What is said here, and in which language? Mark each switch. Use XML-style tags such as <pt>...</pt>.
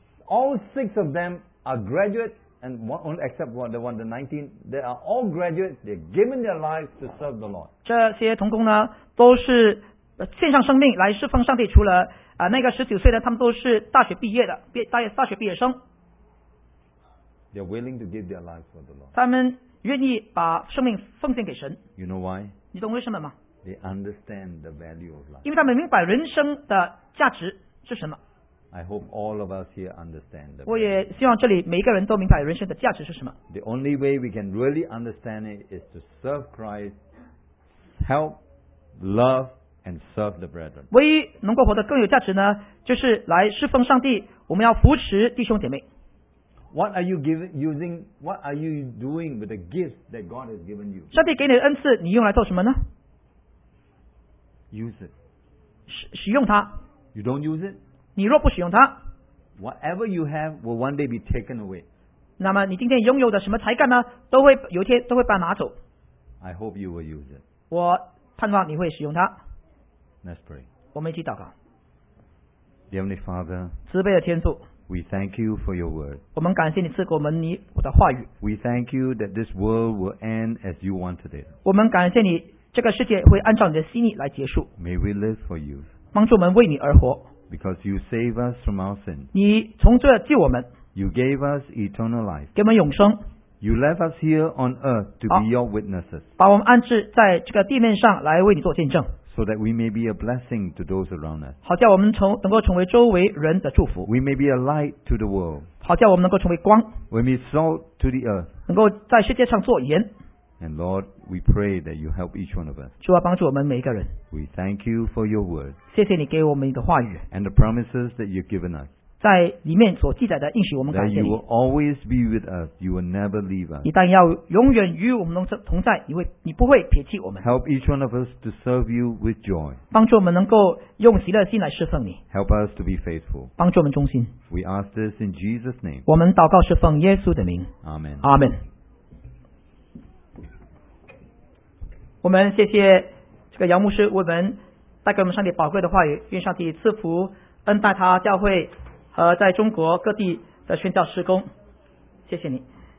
<en>All 6 of them are graduates and one, only except one, the one, the 19. They are all graduates. They're giving their lives to serve the Lord.</en> <zh>这些同工呢都是献上生命来侍奉上帝，除了那个19岁的，他们都是大学毕业的，大学毕业生。</zh> <en>They're willing to give their lives for the Lord.</en> <zh>他们愿意把生命奉献给神。</zh> <en>You know why?</en> <zh>你懂为什么吗？</zh> <en>They understand the value of life.</en> <zh>因为他们明白人生的价值是什么。</zh> <en>I hope all of us here understand the value.</en> <zh>我也希望这里每一个人都明白人生的价值是什么。</zh> <en>The only way we can really understand it is to serve Christ, help, love, and serve the brethren.</en> <zh>唯一能够活得更有价值呢，就是来侍奉上帝。我们要扶持弟兄姐妹。</zh> <en>What are you using? What are you doing with the gifts that God has given you?</en> <zh>上帝给你的恩赐，你用来做什么呢？</zh> <en>Use it.</en> <zh>使用它。</zh> <en>You don't use it.</en> <zh>你若不使用它。</zh> <en>Whatever you have will one day be taken away.</en> <zh>那么你今天拥有的什么才干呢，都会有一天都会把它拿走。</zh> <en>I hope you will use it.</en> <zh>我盼望你会使用它。</zh> <en>Let's pray.</en> <zh>我们一起祷告。</zh> <en>Heavenly Father,</en> <zh>慈悲的天父。</zh> <en>We thank you for your word.</en> <zh>我们感谢你赐给我们你我的话语。</zh> <en>We thank you that this world will end as you wanted it.</en> <zh>我们感谢你这个世界会按照你的心意来结束。</zh> <en>May we live for you.</en> <zh>帮助我们为你而活。</zh> <en>Because you save us from our sin.</en> <zh>你从罪救我们。</zh> <en>You gave us eternal life.</en> <zh>给我们永生。</zh> <en>You left us here on earth to be your witnesses.</en> <zh>把我们安置在这个地面上来为你做见证。</zh> <en>So that we may be a blessing to those around us.</en> <zh>好叫我们能够成为周围人的祝福。</zh> <en>We may be a light to the world.</en> <zh>好叫我们能够成为光。</zh> <en>We may be salt to the earth.</en> <zh>能够在世界上做盐。</zh> <en>And Lord, we pray that you help each one of us.</en> <zh>主啊，帮助我们每一个人。</zh> <en>We thank you for your word.</en> <zh>谢谢你给我们你的话语。</zh> <en>And the promises that you've given us.</en> <zh>在里面所记载的应许，我们感谢你。</zh> <en>That you will always be with us. You will never leave us.</en> <zh>一旦要永远与我们同在，你不会撇弃我们。</zh> <en>Help each one of us to serve you with joy.</en> <zh>帮助我们能够用喜乐的心来侍奉你。</zh> <en>Help us to be faithful.</en> <zh>帮助我们忠心。</zh> <en>We ask this in Jesus' name.</en> <zh>我们祷告是奉耶稣的名。</zh> <en>Amen. Amen.</en> <zh>我们谢谢这个杨牧师为我们带给我们上帝宝贵的话语，愿上帝赐福恩待他教会和在中国各地的宣教施工，谢谢你。</zh>